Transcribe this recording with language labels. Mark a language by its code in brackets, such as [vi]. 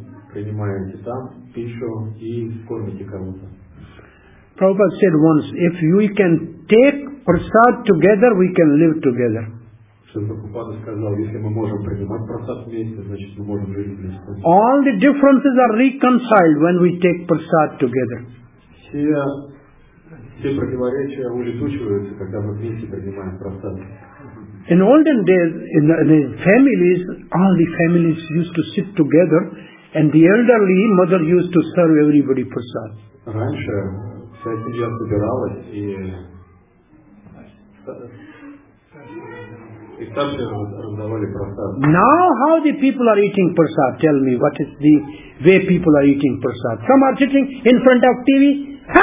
[ru] Принимаете там пищу и кормите кого-то. [en] Prabhupada said once, if we can take prasad together, we can live together. [ru] Прабхупада сказал, если мы можем принимать прасад вместе, значит мы можем жить вместе. [en] All the differences are reconciled when we take prasad together. [ru] Все противоречия улетучиваются, когда мы вместе принимаем прасад. [en] In olden days, in the families, all the families used to sit together. And the elderly mother used to serve everybody prasad. [ru] Раньше вся семья собиралась и старшие раздавали прасад. [en] Now how the people are eating prasad? Tell me, what is the way people are eating prasad? Some are sitting in front of TV.